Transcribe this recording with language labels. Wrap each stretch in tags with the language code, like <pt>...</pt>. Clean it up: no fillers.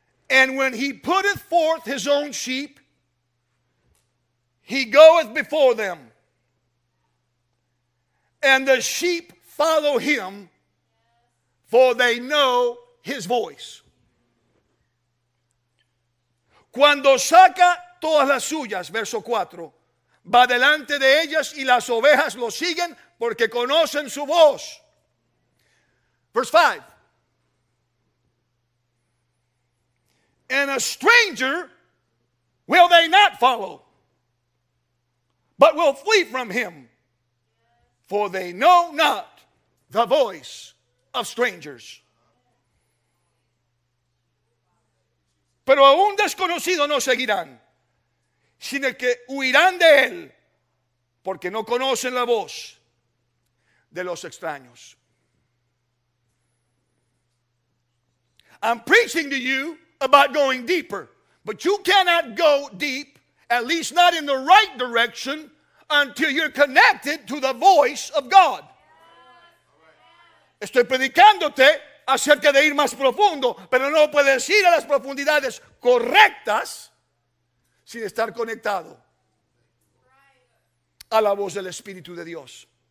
<en>And when he putteth forth his own sheep, he goeth before them, and the sheep follow him, for they know his voice.</en> <es>Cuando saca todas las suyas, verso 4, va delante de ellas y las ovejas lo siguen porque conocen su voz.</es> <en>Verse 5. And a stranger will they not follow, but will flee from him, for they know not the voice of strangers.</en> <es>Pero a un desconocido no seguirán, sino que huirán de él, porque no conocen la voz de los extraños.</es> <en>I'm preaching to you about going deeper, but you cannot go deep, at least not in the right direction, until you're connected to the voice of God.</en> <es>Estoy predicándote acerca de ir más profundo, pero no puedes ir a las profundidades correctas sin estar conectado a la voz del Espíritu de Dios.</es>